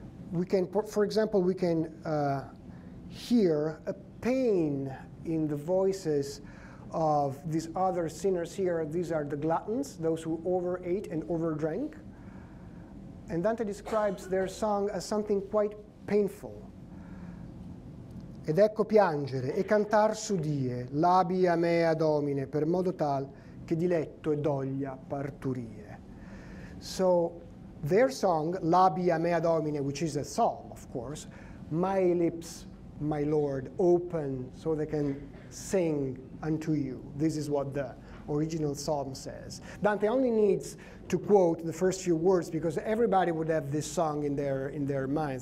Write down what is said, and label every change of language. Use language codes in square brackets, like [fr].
[en] We can, for example, we can hear a pain in the voices of these other sinners here. These are the gluttons, those who overate and overdrank. And Dante describes their song as something quite painful. [it] Ed ecco piangere e cantar sudie, [la] labia mea domine, [it] per modo tal che diletto e doglia parturie. [en] So their song, [la] labia mea domine, [en] which is a psalm, of course, my lips, my Lord, open so they can sing unto you. This is what the original psalm says. Dante only needs to quote the first few words because everybody would have this song in their minds.